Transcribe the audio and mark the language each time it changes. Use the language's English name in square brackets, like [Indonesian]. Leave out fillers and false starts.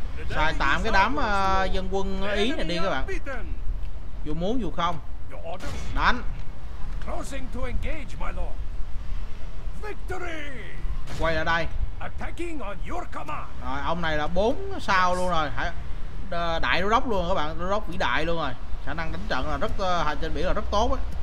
[Vietnamese] Xài tạm cái đám dân quân Ý này đi các bạn. Dù muốn dù không. Đánh. [English] Crossing to engage, my lord. Victory. [Vietnamese] Quay lại đây. [English] Attacking on your command. [Vietnamese] Rồi ông này là 4 sao luôn rồi. Hãy đại đô đốc luôn các bạn, đô đốc vĩ đại luôn rồi, khả năng đánh trận là rất trên biển là rất tốt ấy.